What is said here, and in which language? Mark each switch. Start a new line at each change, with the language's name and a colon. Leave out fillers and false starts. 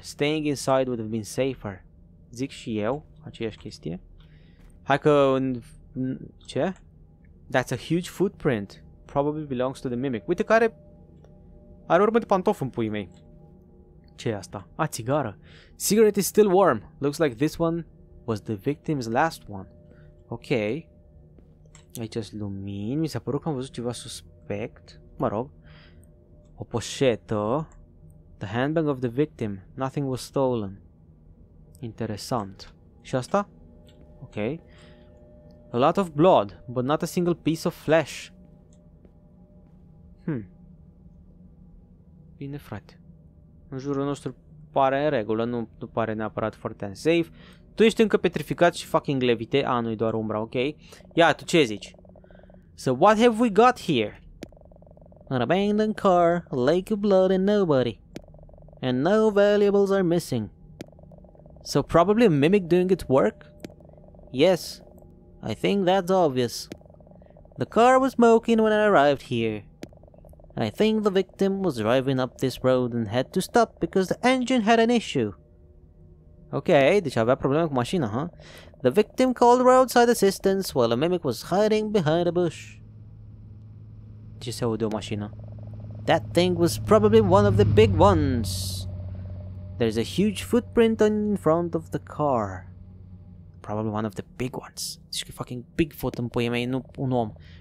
English: Staying inside would have been safer.
Romanian: Zic și eu aceeași chestie. Hai că... Ce?
English: That's a huge footprint. Probably belongs to the mimic.
Romanian: Uite care... Are urmă de pantof în puii mei. Ce e asta? A, țigară.
English: Cigarette is still warm. Looks like this one was the victim's last one.
Romanian: Ok. Aici-s lumini. Mi s-a părut că am văzut ceva suspect. Mă rog. O poșetă.
English: The handbag of the victim. Nothing was stolen.
Romanian: Interesant. Și asta?
English: Ok. A lot of blood, but not a single piece of flesh.
Romanian: Hmm. Bine, frate. În jurul nostru pare în regulă, nu pare neapărat foarte unsafe. Tu ești încă petrificat și fucking levite. A, nu-i doar umbra, ok? Ia, tu ce zici?
English: So what have we got here? An abandoned car, a lake of blood and nobody. And no valuables are missing. So probably a mimic doing its work? Yes, I think that's obvious. The car was smoking when I arrived here. I think the victim was driving up this road and had to stop because the engine had an issue.
Romanian: Okay, deci avea probleme cu mașina, huh?
English: The victim called roadside assistance while a mimic was hiding behind a bush.
Romanian: Ce se aude o mașină?
English: That thing was probably one of the big ones. There's a huge footprint in front of the car. Probably one of the big ones.
Romanian: Deci fucking Bigfoot în puie mei, nu un om.